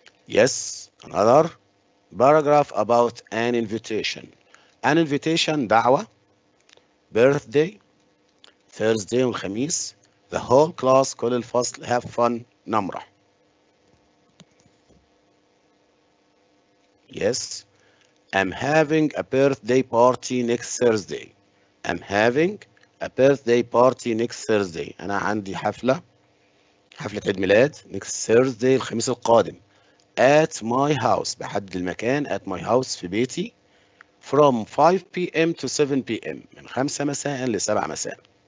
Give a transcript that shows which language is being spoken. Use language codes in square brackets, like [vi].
[en] Yes، another paragraph about an invitation. An invitation، [ar] دعوة. [en] Birthday، Thursday، [ar] والخميس. [en] The whole class، [ar] كل الفصل. [en] Have fun، [ar] نمرح. [en] Yes، I'm having a birthday party next Thursday. I'm having a birthday party next Thursday، [ar] أنا عندي حفلة، حفلة عيد ميلاد، [en] next Thursday، [ar] الخميس القادم. [en] At my house، [ar] بحدد المكان، [en] at my house، [ar] في بيتي. [en] From 5 p.m. to 7 p.m، [ar] من 5 مساء ل7 مساء.